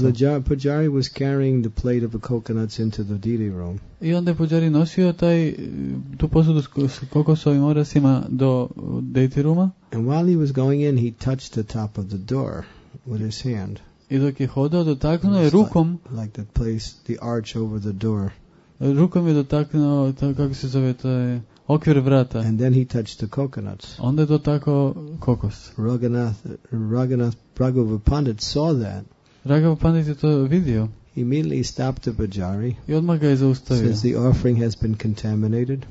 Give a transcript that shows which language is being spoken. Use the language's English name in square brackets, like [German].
[English] So the pujari was carrying the plate of the coconuts into the deity room. [Croatian] I onda je pujari nosio taj tu posudu s kokosovim orasima do deity rooma. [English] And while he was going in, he touched the top of the door with his hand. [Croatian] I dok je hodao, dotaknuo je rukom [English] like the place, the arch over the door. [Croatian] Rukom je dotaknuo kako se zove taj okvir vrata. [English] And then he touched the coconuts. [Croatian] Onda je dotakao kokos. [English] Raghava Pandit saw that. [Croatian] Raghava Pandit je to vidio. [English] He immediately stopped the pujari. [Croatian] I odmah ga je zaustavio. [English] Says the offering has been contaminated.